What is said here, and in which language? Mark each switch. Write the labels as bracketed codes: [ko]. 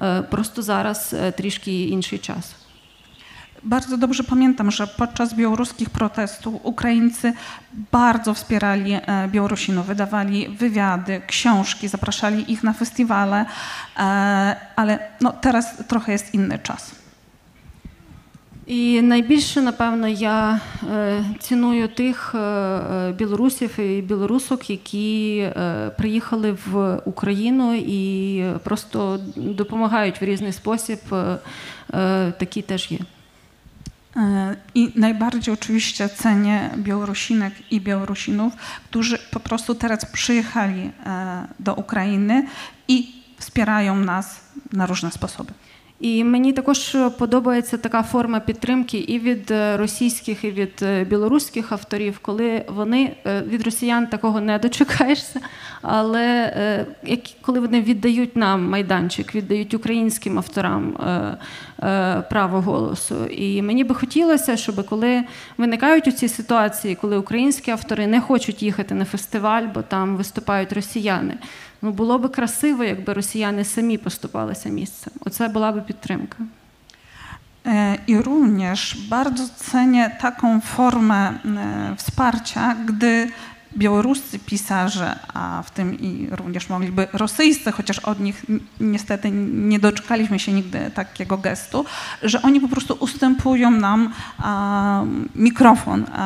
[pl] Prosto zaraz troszkę inny czas. Bardzo dobrze pamiętam, że podczas białoruskich protestów Ukraińcy bardzo wspierali Białorusinów, wydawali wywiady, książki, zapraszali ich na festiwale, ale no, teraz trochę jest inny czas. [uk] І найбільше, напевно, я ціную тих білорусів і білорусок, які приїхали в Україну і просто допомагають в різний спосіб, такі теж є. [pl] I najbardziej oczywiście cenię Białorusinek i Białorusinów, którzy po prostu teraz przyjechali do Ukrainy i wspierają nas na różne sposoby. [uk] І мені також подобається така форма підтримки і від російських, і від білоруських авторів, коли вони, від росіян такого не дочекаєшся, але коли вони віддають нам майданчик, віддають українським авторам право голосу. І мені би хотілося, щоб коли виникають у ці ситуації, коли українські автори не хочуть їхати на фестиваль, бо там виступають росіяни, ну, було би красиво, якби росіяни самі поступалися місцем. Оце була би підтримка. [pl] І również bardzo cenię taką formę wsparcia, gdy białoruscy pisarze, a w tym i również mogliby rosyjscy, chociaż od nich niestety nie doczekaliśmy się nigdy takiego gestu, że oni po prostu ustępują nam mikrofon.